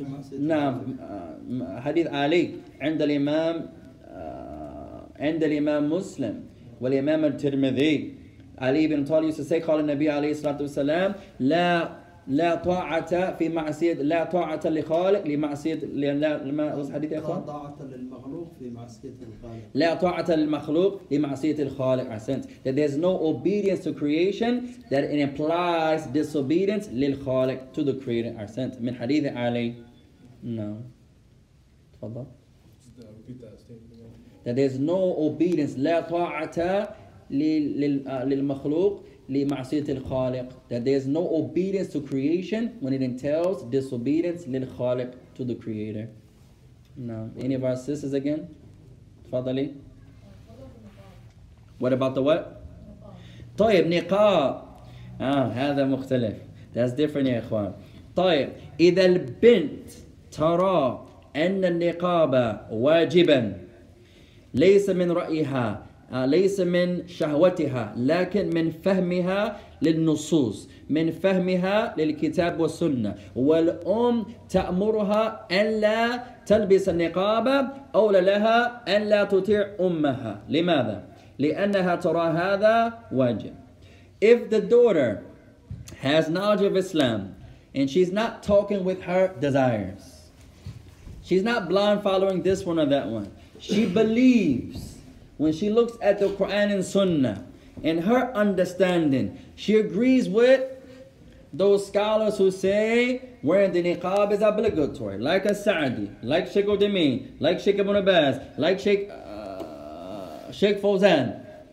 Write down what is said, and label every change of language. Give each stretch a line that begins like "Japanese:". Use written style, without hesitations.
Arabic: Hadith Ali, عند الإمام مسلم والإمام الترمذي.
English: Ali ibn Talib used to say,
Arabic: قال النبي عليه الصلاة والسلام, لا طاعة في معصية, لا طاعة لخالق لمعصية, لا طاعة للمخلوق لمعصية الخالق.
English: That there's no obedience to creation that it implies disobedience
Arabic: للخالق,
English: to the creator. I sent
Arabic: من حديث علي.
English: No. That there's no obedience,
Arabic: لا طاعة للمخلوق لمعصية الخالق.
English: That there's no obedience to creation when it entails disobedience
Arabic: للخالق,
English: to the creator. No. Any of our sisters again?
Arabic: تفضلي.
English: What about the what?
Arabic: طيب نقاب. هذا مختلف.
English: That's different,
Arabic: يا إخوان. طيب إذا البنت ترى أن النقاب واجبا ليس من رأيها ليس من شهوتها لكن من فهمها للنصوص من فهمها للكتاب والسنة والأم تأمرها أن لا تلبس النقاب أولى لها أن لا تطيع أمها لماذا؟ لأنها ترى هذا واجب.
English: If the daughter has knowledge of Islam and she's not talking with her desires, she's not blind following this one or that one, she believes, when she looks at the Quran and Sunnah, in her understanding, she agrees with those scholars who say wearing the niqab is obligatory, like a Sa'di, like Sheikh Uthaymeen, like Sheikh Ibn Abbas, like Sheikh Fawzan.